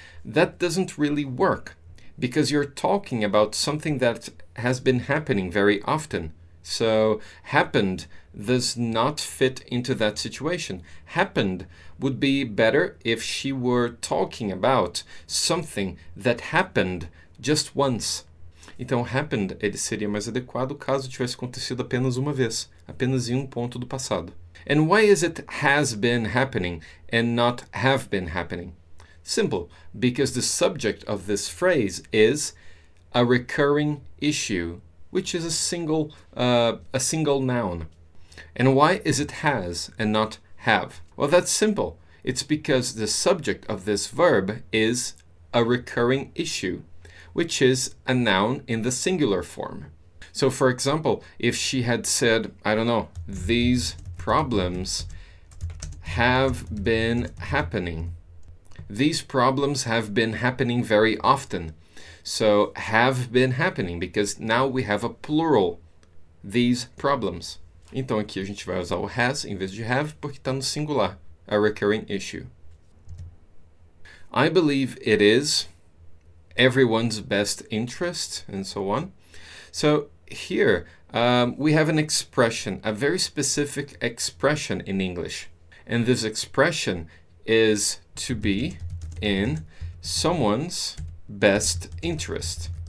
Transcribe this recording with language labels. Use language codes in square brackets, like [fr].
[en] That doesn't really work because you're talking about something that has been happening very often. So, happened does not fit into that situation. Happened would be better if she were talking about something that happened just once. [pt] Então, happened, ele seria mais adequado caso tivesse acontecido apenas uma vez, apenas em um ponto do passado. [en] And why is it has been happening and not have been happening? Simple, because the subject of this phrase is a recurring issue, which is a single noun. And why is it has and not have? Well, that's simple. It's because the subject of this verb is a recurring issue, which is a noun in the singular form. So, for example, if she had said, I don't know, these problems have been happening. These problems have been happening very often. So, have been happening, because now we have a plural, these problems. [pt] Então, aqui a gente vai usar o has em vez de have, porque está no singular, [en] a recurring issue. I believe it is everyone's best interest, and so on. So, here, we have an expression, a very specific expression in English. And this expression is to be in someone's best interest.